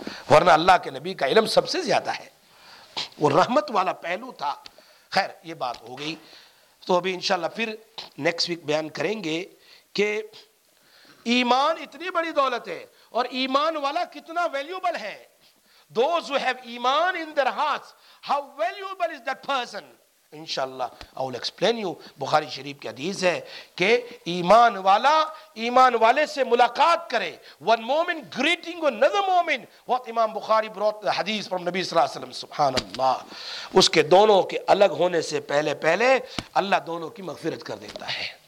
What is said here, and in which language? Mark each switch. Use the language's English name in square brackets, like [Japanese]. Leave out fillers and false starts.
[Urdu] ورنہ اللہ کے نبی کا علم سب سے زیادہ ہے, وہ رحمت والا پہلو تھا. خیر یہ بات ہو گئی, تو ابھی انشاءاللہ پھر نیکسٹ ویک بیان کریں گے کہ ایمان اتنی بڑی دولت ہے اور ایمان والا کتنا ویلیوبل ہے. [English] Those who have ایمان in their hearts, how valuable is that person? انشاءاللہ I will explain you. [Urdu] بخاری شریف کی حدیث ہے کہ ایمان والا ایمان والے سے ملاقات کرے. [English] One مومن greeting another مومن. What Imam Bukhari brought the حدیث from نبی صلی اللہ علیہ وسلم. سبحان اللہ. [Urdu] اس کے دونوں کے الگ ہونے سے پہلے پہلے اللہ دونوں کی مغفرت کر دیتا ہے.